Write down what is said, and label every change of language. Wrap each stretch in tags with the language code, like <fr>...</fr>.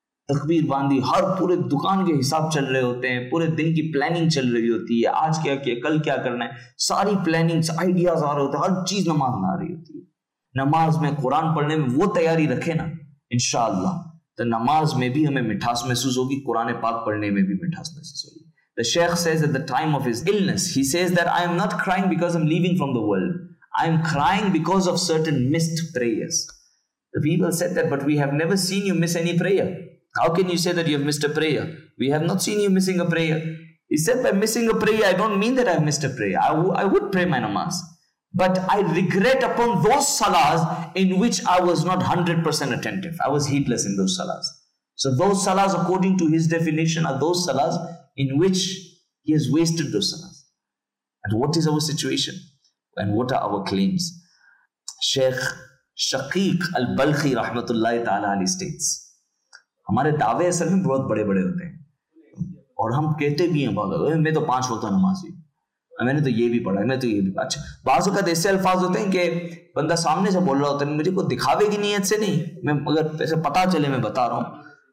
<hi>तकबीर बांधी, हर पूरे दुकान के हिसाब चल रहे होते हैं, पूरे दिन की प्लानिंग चल रही होती है, आज क्या किया कल क्या करना है, सारी प्लानिंग आइडियाज आ रहे होते हैं, हर चीज नमाज में आ रही होती है। नमाज में कुरान पढ़ने में वो तैयारी रखे ना इंशाअल्लाह, तो नमाज में भी हमें मिठास महसूस होगी, कुरान पाक पढ़ने में भी मिठास महसूस होगी।</hi> <en>The Sheikh says at the time of his illness, he says that I am not crying because I'm leaving from the world. I am crying because of certain missed prayers. The people said that, but we have never seen you miss any prayer. How can you say that you have missed a prayer? We have not seen you missing a prayer. He said, by missing a prayer, I don't mean that I have missed a prayer. I would pray my namaz. But I regret upon those salahs in which I was not 100% attentive. I was heedless in those salahs. So those salahs, according to his definition, are those salahs in which he has wasted those salahs. And what is our situation? And what are our claims? Sheikh Shaqiq Al-Balkhi rahmatullahi ta'ala ali states,</en> <hi>हमारे दावे असल में बहुत बड़े बड़े होते हैं और हम कहते भी हैं बहुत, मैं तो 5 वक्त नमाज ही, मैंने तो ये भी पढ़ा, मैं तो ये भी पढ़ा। अच्छा, बाज़ औक़ात ऐसे अल्फाज होते हैं कि बंदा सामने से बोल रहा होता है, मुझे कोई दिखावे की नीयत से नहीं, मैं अगर ऐसे पता चले मैं बता रहा हूँ।</hi>